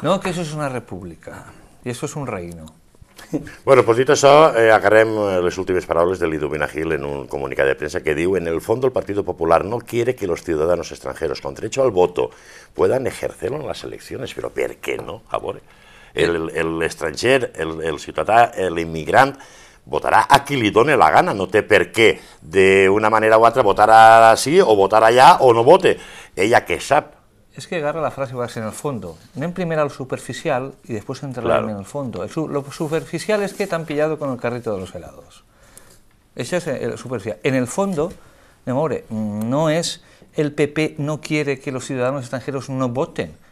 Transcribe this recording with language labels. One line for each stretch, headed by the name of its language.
Spanish: No, que eso es una república y eso es un reino.
Catalan: Bueno, pues dit això, agarrem les últimes paraules de Liduvina Gil en un comunicat de premsa que diu:
Spanish: en el fondo el Partido Popular no quiere que los ciudadanos extranjeros con derecho al voto puedan ejercerlo en las elecciones, pero ¿per qué no?
Catalan: A veure, el estranger, el ciutadà, el immigrant votarà a qui li dóna la gana, no té per què d'una manera o altra votar així o votar allà o no vote, ella que sap.
Spanish: Es que agarra la frase en el fondo.
Catalan: Anem primer al superficial
Spanish: y después entrarem, claro, en el fondo. Lo superficial es que t'han pillado con el carrito de los helados.
Catalan: Això és el superficial.
Spanish: En el fondo, hombre, no es el PP no quiere que los ciudadanos extranjeros no voten.